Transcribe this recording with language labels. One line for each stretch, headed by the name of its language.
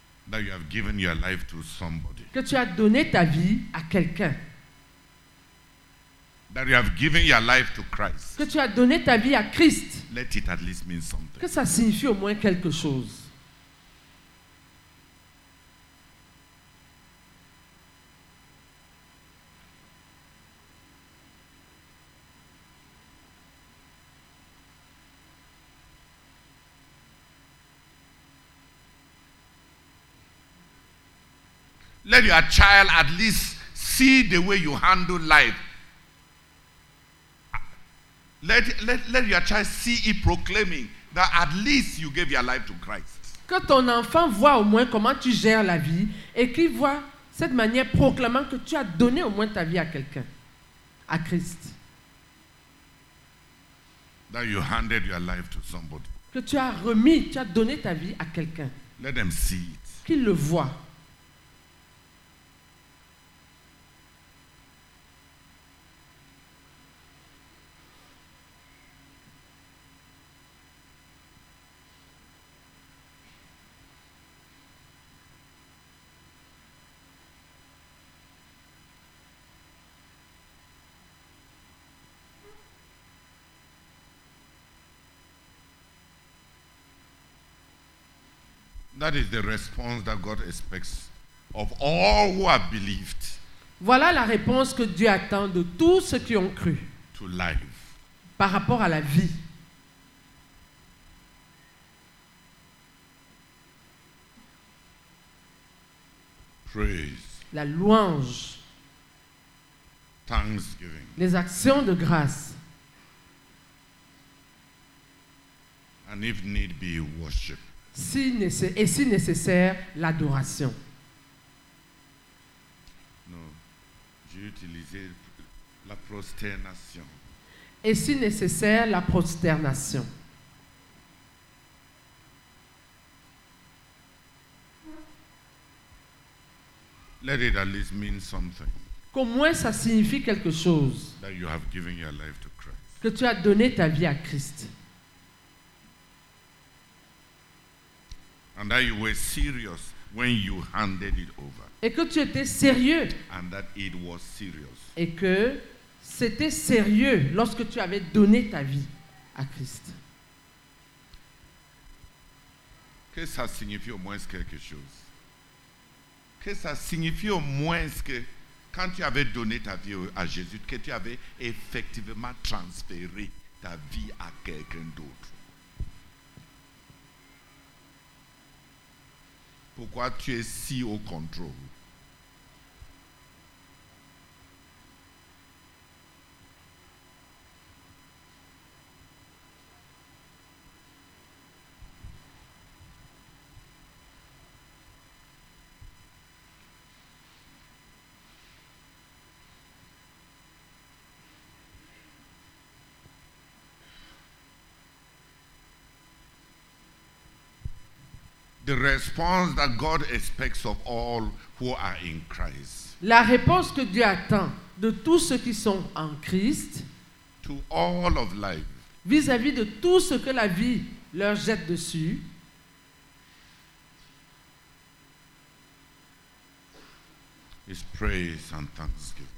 English: That you have given your life to somebody.
French: Que tu as donné ta vie à quelqu'un.
English: That you have given your life to Christ.
French: Que tu as donné ta vie à Christ.
English: Let it at least mean something.
French: Que ça signifie au moins quelque chose.
English: Let your child at least see the way you handle life. Let your child see it proclaiming that at least you gave your life to Christ.
French: Que ton enfant voit au moins comment tu gères la vie et qu'il voit cette manière proclamant que tu as donné au moins ta vie à quelqu'un, à Christ.
English: That you handed your life to somebody.
French: Que tu as remis, tu as donné ta vie à quelqu'un.
English: Let them see it.
French: Qu'il le voit.
English: That is the response that God expects of all who have believed.
French: Voilà la réponse que Dieu attend de tous ceux qui ont cru.
English: To life.
French: Par rapport à la vie.
English: Praise.
French: La louange.
English: Thanksgiving.
French: Les actions de grâce.
English: And if need be, worship.
French: Si nécessaire, l'adoration. Non, j'ai utilisé la prosternation. Et si nécessaire, la prosternation.
English: Let it at least mean something.
French: Qu'au moins ça signifie quelque chose.
English: That you have given your life to Christ.
French: Que tu as donné ta vie à Christ.
English: And that you were serious when you handed it over.
French: Et que tu étais sérieux.
English: And that it was serious.
French: Et que c'était sérieux lorsque tu avais donné ta vie à Christ. Que ça signifie au moins quelque chose. Que ça signifie au moins que quand tu avais donné ta vie à Jésus, que tu avais effectivement transféré ta vie à quelqu'un d'autre. Pourquoi tu es si au contrôle?
English: The response that God expects of all who are in Christ.
French: La réponse que Dieu attend de tous ceux qui sont en Christ.
English: To all of life.
French: Vis-à-vis de tout ce que la vie leur jette dessus.
English: Is praise and thanksgiving.